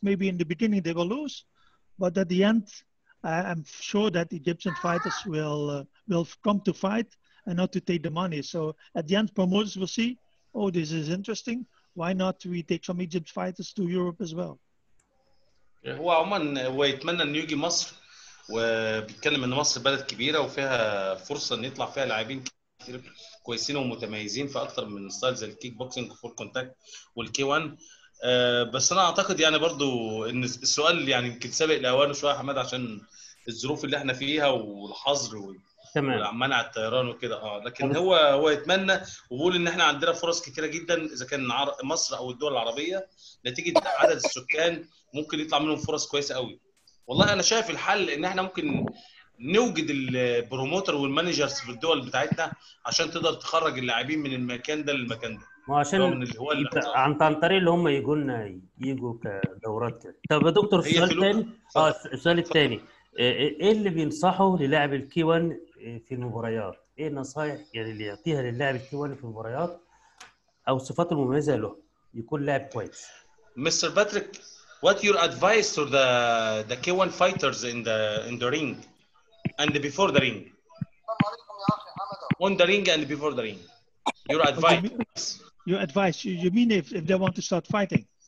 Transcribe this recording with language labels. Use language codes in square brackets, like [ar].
[en] Maybe in the beginning they will lose, but at the end, I'm sure that Egyptian fighters will come to fight and not to take the money. So at the end, promoters will see, oh, this is interesting. Why not we take some Egypt fighters to Europe as well? [ar] هو عموما هو يتمنى انه يجي مصر، وبيتكلم ان مصر بلد كبيره وفيها فرصه ان يطلع فيها لاعبين كتير كويسين ومتميزين في اكثر من ستايل زي الكيك بوكسنج وفول كونتاكت والكي 1. بس انا اعتقد يعني برضو ان السؤال يعني يمكن سابق لاوانه شويه حماد، عشان الظروف اللي احنا فيها والحظر تمام منع الطيران وكده. لكن هو يتمنى، وبيقول ان احنا عندنا فرص كتيره جدا اذا كان مصر او الدول العربيه نتيجه عدد السكان ممكن يطلع منهم فرص كويسه قوي. والله انا شايف الحل ان احنا ممكن نوجد البروموتر والمانجرز في الدول بتاعتنا عشان تقدر تخرج اللاعبين من المكان ده للمكان ده. ما عشان عن طريق اللي هم يقولنا يجوا كدورات كده. طب يا دكتور، السؤال الثاني، السؤال الثاني، ايه اللي بينصحه للاعب الكي 1 في المباريات؟ ايه النصائح يعني اللي يعطيها للاعب الكي 1 في المباريات او الصفات المميزه له يكون لاعب كويس؟ [en] Mister Patrick, what your advice to the K1 fighters in the ring and before the ring? On the ring and before the ring. Your advice. Your advice. You mean if they want to start fighting?